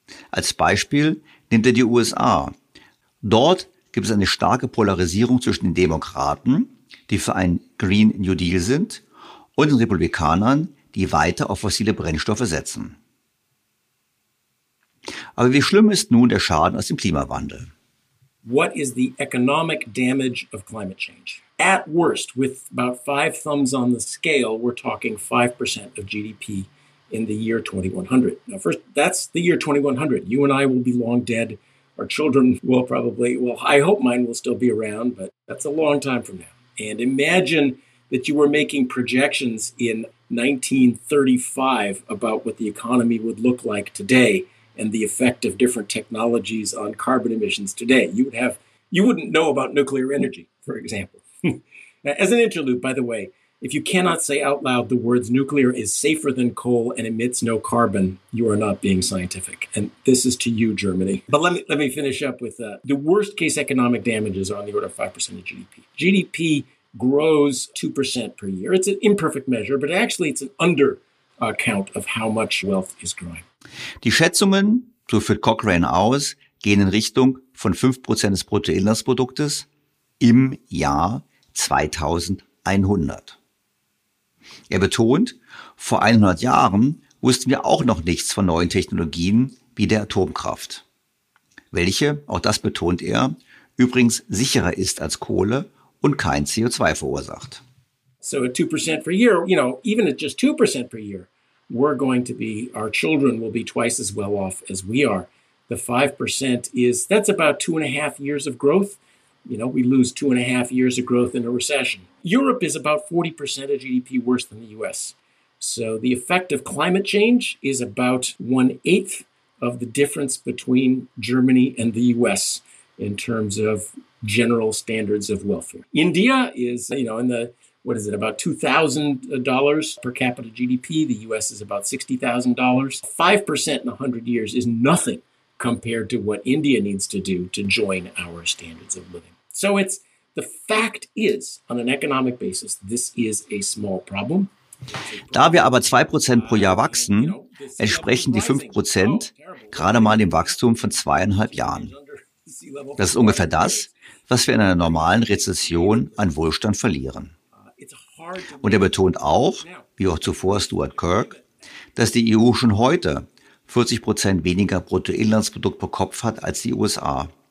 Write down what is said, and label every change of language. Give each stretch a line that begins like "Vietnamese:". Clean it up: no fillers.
German: Als Beispiel nimmt er die USA. Dort gibt es eine starke Polarisierung zwischen den Demokraten, die für einen Green New Deal sind, und den Republikanern, die weiter auf fossile Brennstoffe setzen. Aber wie schlimm ist nun der Schaden aus dem Klimawandel?
English: What is the economic damage of climate change? At worst, with about five thumbs on the scale, we're talking 5% of GDP in the year 2100. Now, first, that's the year 2100. You and I will be long dead. Our children will probably, well, I hope mine will still be around, but that's a long time from now. And imagine that you were making projections in 1935 about what the economy would look like today and the effect of different technologies on carbon emissions today. You wouldn't know about nuclear energy, for example. Now, as an interlude, by the way, if you cannot say out loud the words nuclear is safer than coal and emits no carbon, you are not being scientific. And this is to you, Germany. But let me finish up with the worst case economic damages are on the order of 5% of GDP. GDP grows 2% per year. It's an imperfect measure, but actually it's an undercount of how much wealth is growing.
German: Die Schätzungen, so führt Cochrane aus, gehen in Richtung von 5% des Bruttoinlandsproduktes im Jahr 2100. Er betont, vor 100 Jahren wussten wir auch noch nichts von neuen Technologien wie der Atomkraft. Welche, auch das betont er, übrigens sicherer ist als Kohle und kein CO2 verursacht.
English: So at 2% per year, you know, even at just 2% per year, we're going to be, our children will be twice as well off as we are. The 5% is, that's about 2.5 years of growth. You know, we lose 2.5 years of growth in a recession. Europe is about 40% of GDP worse than the US. So the effect of climate change is about 1/8 of the difference between Germany and the US in terms of general standards of welfare. India is, you know, in the, what is it, about $2,000 per capita GDP. The US is about $60,000. 5% in 100 years is nothing compared to what India needs to do to join our standards of living. So it's, the fact is, on an economic basis, this is a small problem.
German: Da wir aber 2% pro Jahr wachsen, entsprechen die 5% gerade mal dem Wachstum von 2,5 Jahren. Das ist ungefähr das, was wir in einer normalen Rezession an Wohlstand verlieren. Und er betont auch, wie auch zuvor Stuart Kirk, dass die EU schon heute 40% weniger Bruttoinlandsprodukt pro Kopf hat als die USA.